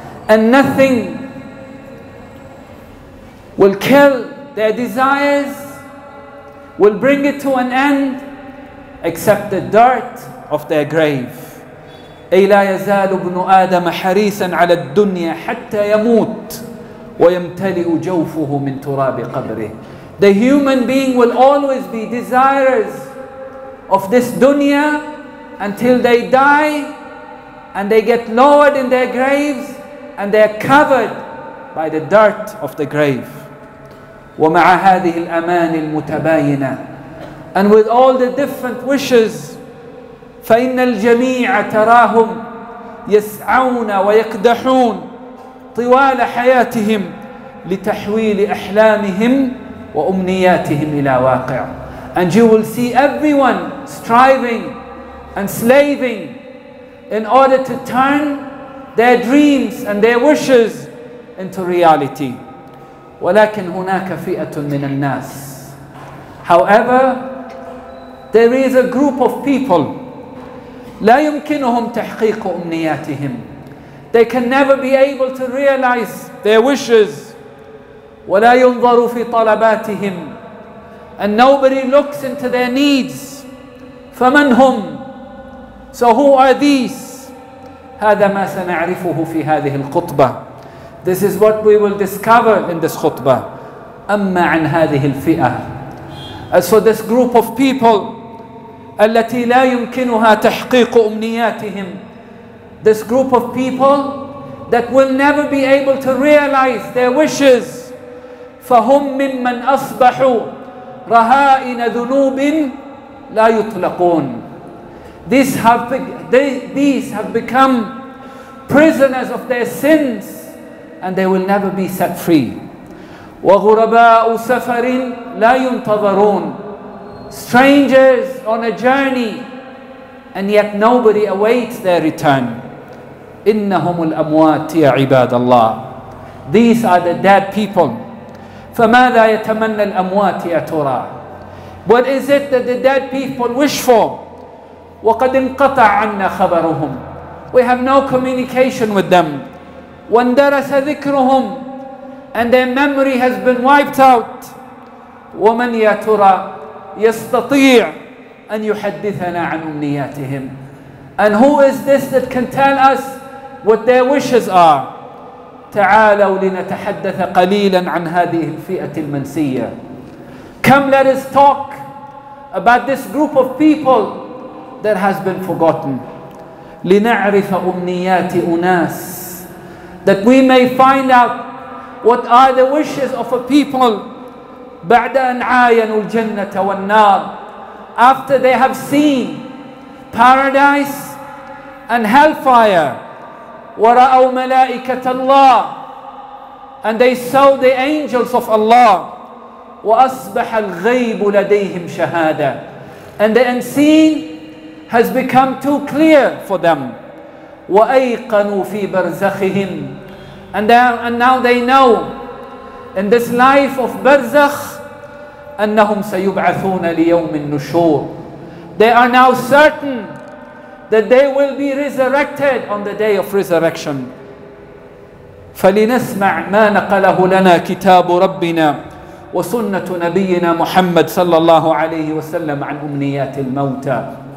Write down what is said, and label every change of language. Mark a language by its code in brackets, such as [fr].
[en] And nothing will kill their desires, will bring it to an end, except the dirt of their grave. [ar] أي لا يزال ابن آدم حريصا على الدنيا حتى يموت ويمتلئ جوفه من تراب قبره. [en] The human being will always be desirous of this dunya until they die and they get lowered in their graves and they are covered by the dirt of the grave. [ar] ومع هذه الأمان المتباينة, [en] and with all the different wishes, [ar] فإن الجميع تراهم يسعون ويقدحون طوال حياتهم لتحويل أحلامهم وأمنياتهم إلى واقع. [en] And you will see everyone striving and slaving in order to turn their dreams and their wishes into reality. [ar] ولكن هناك فئة من الناس. [en] However, there is a group of people [ar] لا يمكنهم تحقيق أمنياتهم. [en] They can never be able to realize their wishes. [ar] ولا ينظر في طلباتهم. [en] And nobody looks into their needs. [ar] فمن هم؟ [en] So who are these? [ar] هذا ما سنعرفه في هذه الخطبة. [en] This is what we will discover in this خطبة. [ar] أما عن هذه الفئة. [en] As for this group of people [ar] التي لا يمكنها تحقيق أمنياتهم. [en] This group of people that will never be able to realize their wishes. [ar] فهم ممن أصبحوا رهائن ذنوب لا يطلقون. [en] These have become prisoners of their sins and they will never be set free. [ar] وغرباء سفر لا ينتظرون. [en] Strangers on a journey and yet nobody awaits their return. [ar] إنهم الأموات يا عباد الله. [en] These are the dead people. [ar] فماذا يتمنى الأموات يا ترى؟ [en] What is it that the dead people wish for? [ar] وقد انقطع عنا خبرهم. [en] We have no communication with them. [ar] واندرس ذكرهم. [en] And their memory has been wiped out. [ar] ومن يا ترى يستطيع أن يحدثنا عن أمنياتهم؟ [en] And who is this that can tell us what their wishes are? [ar] تعالوا لنتحدث قليلا عن هذه الفئة المنسية. [en] Come let us talk about this group of people that has been forgotten. [ar] لنعرف أمنيات أناس. [en] That we may find out what are the wishes of a people [ar] بعد أن عاينوا الجنة والنار. [en] After they have seen paradise and hellfire. [ar] ورأوا ملائكة الله. [en] And they saw the angels of Allah. [ar] وأصبح الغيب لديهم شهادة. [en] And the unseen has become too clear for them. [ar] وأيقنوا في برزخهم. [en] And now they know in this life of barzakh [ar] أنهم سيبعثون ليوم النشور. [en] They are now certain that they will be resurrected on the day of resurrection. [ar] فلنسمع ما نقله لنا كتاب ربنا وسنة نبينا محمد صلى الله عليه وسلم عن أمنيات الموتى.